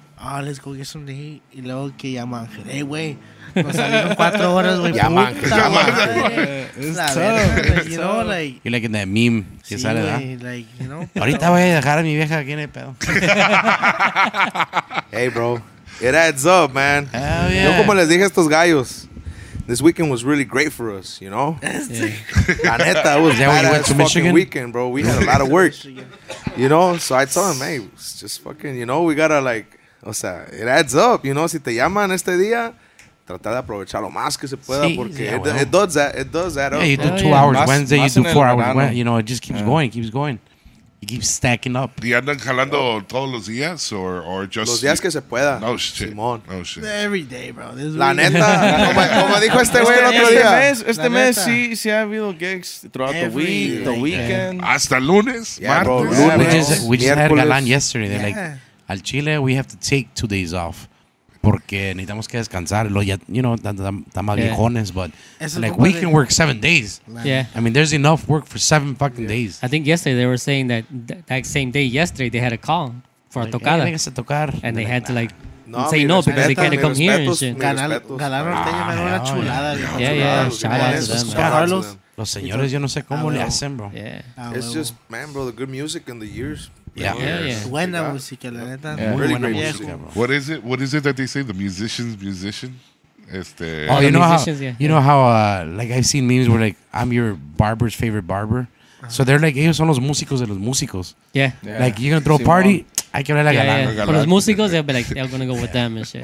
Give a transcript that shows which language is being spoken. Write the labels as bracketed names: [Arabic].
[Spanish] Ah, [English] let's go get some day. [Spanish] Y luego que llama Ángel. Hey, güey. Nos salieron 4 horas, güey. Llama Ángel. Llama [English] Ángel. You know, like. You're like in that meme. [Spanish] Que sí, sale, güey, like, you know. Ahorita voy a dejar a mi vieja aquí en el pedo. [English] Hey, bro. It adds up, man. Hell yeah. [Spanish] Yo como les dije a estos gallos, [English] this weekend was really great for us, you know? Yeah. [Spanish] La neta, [English] it was a badass fucking weekend, bro. We had a lot of work. You know? So I told him, hey, it's just fucking, you know, we gotta like, [Spanish] o sea, [English] it adds up, you know? [Spanish] Si te llaman este día, tratar de aprovechar lo más que se pueda, sí, porque [English] it does add up. Yeah, you do 2 hours Wednesday, you do 4 hours Wednesday. You know, it just keeps going, keeps going. He keeps stacking up. [Spanish] ¿Y andan jalando todos los días [English] or just? [Spanish] Los días que se pueda. [English] No shit. [Spanish] Simón. [English] No shit. Every day, bro. This [Spanish] la neta. como dijo este güey el otro este día. Este mes sí ha habido gigs [English] throughout every the weekend. Yeah. [Spanish] Hasta lunes, martes. [English] Bro, [Spanish] lunes. [English] We just had Galán yesterday. They're like, [Spanish] al Chile, [English] we have to take 2 days off. [Spanish] Porque necesitamos que descansar. [English] You know, [Spanish] está más viejones, [English] but like, we can work 7 days. Yeah. I mean, there's enough work for 7 fucking days. I think yesterday they were saying that same day yesterday they had a call for like, [Spanish] a tocada. Hey, a tocar. [English] And they had to like say no because they can't come here and shit. [Spanish] Galán Ortega me dio una chulada. [English] Shout out to them. [Spanish] Los señores, yo no sé cómo le hacen, bro. [English] Yeah. It's just, man, bro, the good music and the years. Yeah. [Spanish] Buena música, la neta. [English] Really great music, bro. What is it that they say? The musicians, musician? Like I've seen memes where like, I'm your barber's favorite barber. Uh-huh. So they're like, [Spanish] ellos son los músicos de los músicos. [English] Yeah. Like, you're going to throw a party, [Spanish] hay que hablar a Galán. [English] For los músicos, they'll be like, they're going to go with them and shit.